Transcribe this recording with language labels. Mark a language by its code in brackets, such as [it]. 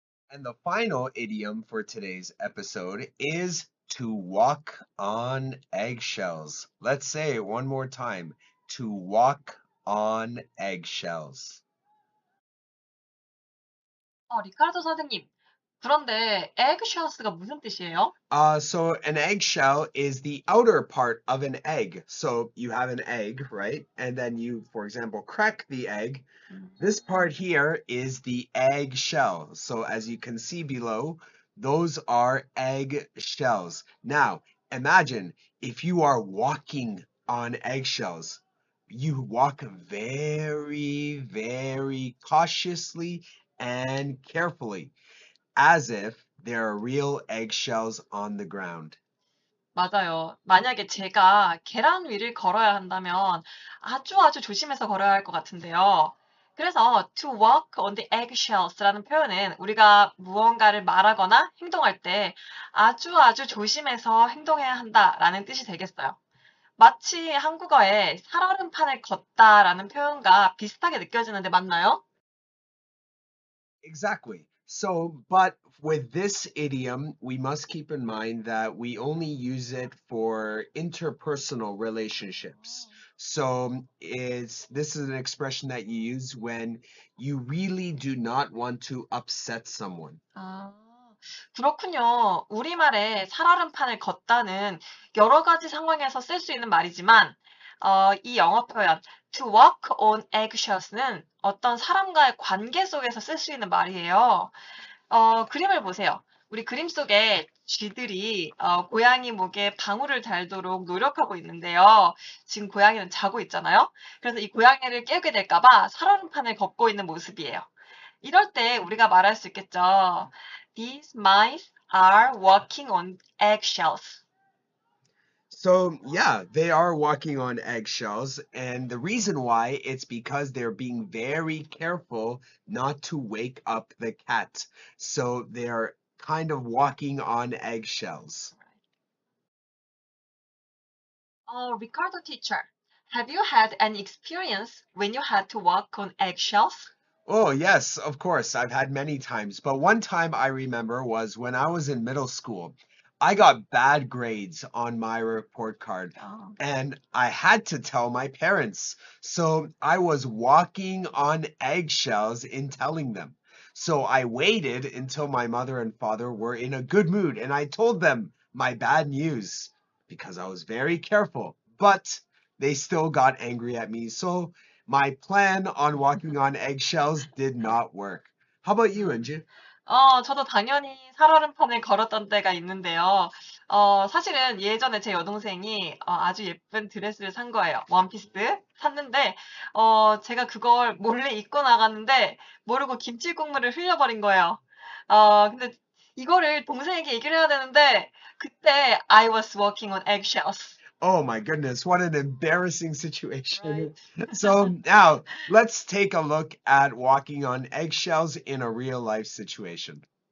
[en] And the final idiom for today's episode is to walk on eggshells. Let's say it one more time, to walk on eggshells. [ko] 리카르도 선생님, 그런데 eggshells가 무슨 뜻이에요? [en] So an eggshell is the outer part of an egg. So you have an egg, right? And then you, for example, crack the egg. This part here is the egg shell. So as you can see below, those are egg shells. Now, imagine if you are walking on eggshells. You walk very, very cautiously and carefully, as if there are real eggshells on the ground. [ko] 맞아요. 만약에 제가 계란 위를 걸어야 한다면 아주 아주 조심해서 걸어야 할것 같은데요. 그래서 [en] to walk on the eggshells [ko] 라는 표현은 우리가 무언가를 말하거나 행동할 때 아주 아주 조심해서 행동해야 한다라는 뜻이 되겠어요. 마치 한국어의 살얼음판을 걷다라는 표현과 비슷하게 느껴지는데 맞나요? [en] Exactly. So, but with this idiom, we must keep in mind that we only use it for interpersonal relationships. So, this is an expression that you use when you really do not want to upset someone. [ko] 그렇군요. 우리말에 살얼음판을 걷다는 여러 가지 상황에서 쓸수 있는 말이지만, 이 영어 표현 [en] to walk on eggshells [ko] 는 어떤 사람과의 관계 속에서 쓸수 있는 말이에요. 그림을 보세요. 우리 그림 속에 쥐들이 고양이 목에 방울을 달도록 노력하고 있는데요. 지금 고양이는 자고 있잖아요. 그래서 이 고양이를 깨우게 될까봐 살얼음판을 걷고 있는 모습이에요. 이럴 때 우리가 말할 수 있겠죠. [en] These mice are walking on eggshells. So, yeah, they are walking on eggshells, and the reason why, it's because they're being very careful not to wake up the cat. So they're kind of walking on eggshells. Ricardo teacher, have you had any experience when you had to walk on eggshells? Oh, yes, of course, I've had many times, but one time I remember was when I was in middle school. I got bad grades on my report card, and I had to tell my parents. So I was walking on eggshells in telling them. So I waited until my mother and father were in a good mood, and I told them my bad news because I was very careful, but they still got angry at me. So my plan on walking on eggshells did not work. How about you, Inju? [ko] 저도 당연히 살얼음판을 걸었던 때가 있는데요. 사실은 예전에 제 여동생이 아주 예쁜 드레스를 산 거예요. 원피스 샀는데, 제가 그걸 몰래 입고 나갔는데, 모르고 김칫국물을 흘려버린 거예요. 근데 이거를 동생에게 얘기를 해야 되는데, 그때 [en] I was walking on eggshells. Oh my goodness, what an embarrassing situation. Right. So now let's take a look at walking on eggshells in a real life situation.